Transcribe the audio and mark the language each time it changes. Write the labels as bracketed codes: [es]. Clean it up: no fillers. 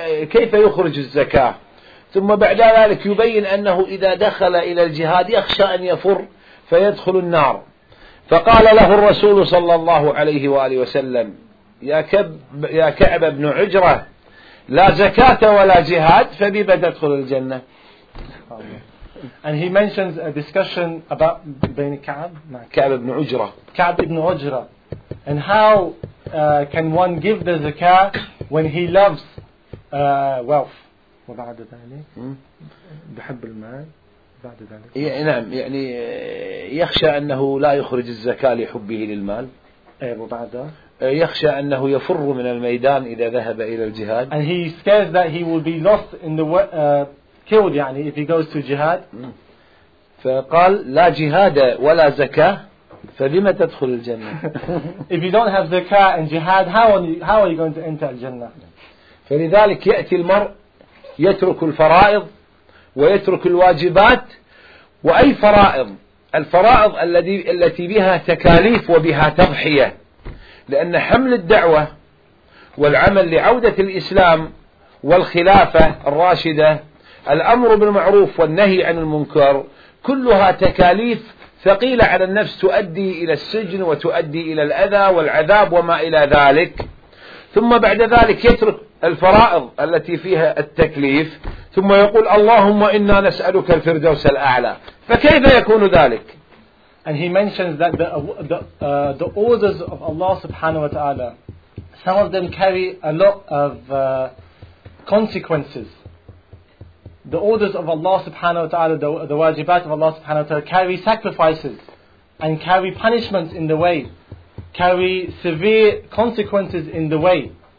[ar] كيف يخرج الزكاة ثم بعد ذلك يبين أنه إذا دخل إلى الجهاد يخشى أن يفر فيدخل النار فقال له الرسول صلى الله عليه وآله وسلم يا كعب بن عجرة لا زكاة ولا جهاد فبما تدخل الجنة. [en] And he mentions a discussion about [ar] بين [en] كعب [ar] كعب بن عجرة [en] كعب بن عجرة and how can one give the zakah when he loves wealth [ar] وبعد ذلك بحب المال بعد ذلك نعم يعني يخشى أنه لا يخرج الزكاة لحبه للمال وبعده يخشى أنه يفر من الميدان إذا ذهب إلى الجهاد. [en] And he scares that he will be lost in the killed [ar] يعني [en] if he goes to jihad. [ar] فقال لا جهاد ولا زكاة. فبما تدخل الجنة؟ [en] If you don't have zakah and jihad, how are you going to enter الجنة؟ [ar] فلذلك يأتي المرء يترك الفرائض ويترك الواجبات. وأي فرائض؟ الفرائض التي بها تكاليف وبها تضحية، لأن حمل الدعوة والعمل لعودة الإسلام والخلافة الراشدة، الأمر بالمعروف والنهي عن المنكر، كلها تكاليف ثقيلة على النفس، تؤدي إلى السجن وتؤدي إلى الأذى والعذاب وما إلى ذلك. ثم بعد ذلك يترك الفرائض التي فيها التكليف، ثم يقول اللهم إنا نسألك الفردوس الأعلى، فكيف يكون ذلك؟ [en] And he mentions that the orders of Allah subhanahu wa ta'ala, some of them carry a lot of consequences. The orders of Allah subhanahu wa ta'ala, the wajibat of Allah subhanahu wa ta'ala, carry sacrifices and carry punishments in the way, carry severe consequences in the way.